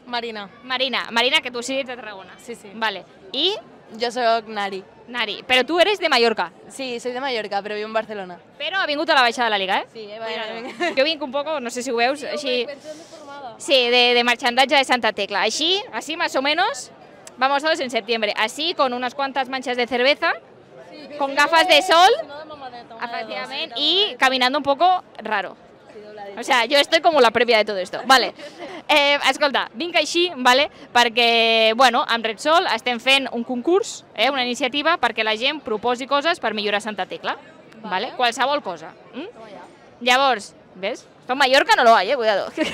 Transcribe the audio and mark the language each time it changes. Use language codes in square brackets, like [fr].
[ca] Marina. Marina, que tu sí ets de Tarragona. Sí. Vale. I? Jo soc Nari. Nari, però tu eres de Mallorca. [es] Sí, soy de Mallorca, [ca] però viu en Barcelona. Però ha vingut a la baixada de la Liga, eh? [es] Sí, vaya. [ca] Jo vinc [es] un poco, [ca] no sé si ho veus, sí, així... Sí, de marxandatge de Santa Tecla. [es] Així, más o menos, vamos todos en septiembre. Así, con unas cuantas manchas de cerveza, con gafas de sol, efectivamente, y caminando un poco raro. O sea, yo estoy como la previa de todo esto, vale. [ca] Escolta, vinc així, vale, perquè, bueno, amb Repsol estem fent un concurs, una iniciativa perquè la gent proposi coses per millorar Santa Tecla, vale, qualsevol cosa. Llavors, ves, [es] esto en Mallorca no lo hay, cuidado.